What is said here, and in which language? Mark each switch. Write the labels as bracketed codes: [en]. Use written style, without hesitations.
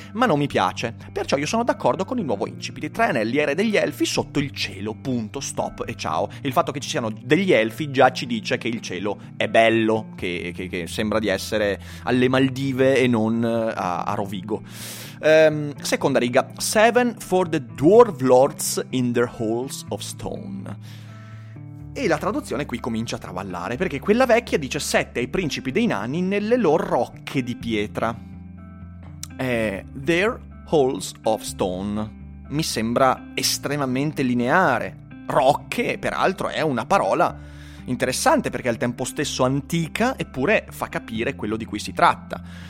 [it] Ma non mi piace, perciò io sono d'accordo con il nuovo incipit. Tre anelli, re degli elfi, sotto il cielo, punto, stop e ciao. Il fatto che ci siano degli elfi già ci dice che il cielo è bello, che sembra di essere alle Maldive e non a Rovigo. [en] Seconda riga, Seven for the Dwarf Lords in their Halls of Stone. [it] E la traduzione qui comincia a traballare, perché quella vecchia dice Sette ai principi dei nani nelle loro rocche di pietra. [en] Their Halls of Stone [it] mi sembra estremamente lineare. Rocche, peraltro, è una parola interessante, perché al tempo stesso antica, eppure fa capire quello di cui si tratta.